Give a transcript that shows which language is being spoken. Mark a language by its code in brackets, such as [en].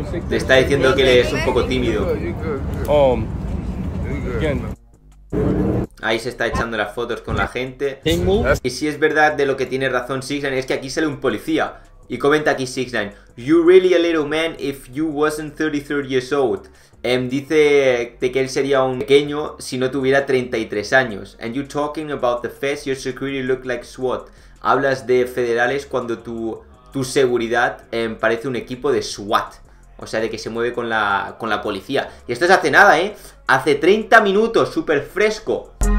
[es] Le está diciendo que es un poco tímido. Ahí se está echando las fotos con la gente. Y si es verdad de lo que tiene razón 6ix9ine, es que aquí sale un policía. Y comenta aquí [en] 6ix9ine, you really a little man if you wasn't 33 years old. [es] Dice de que él sería un pequeño si no tuviera 33 años. [en] And you talking about the feds, your security look like SWAT. [es] Hablas de federales cuando tu seguridad parece un equipo de SWAT. O sea, de que se mueve con la policía. Y esto es hace nada, ¿eh? Hace 30 minutos, súper fresco.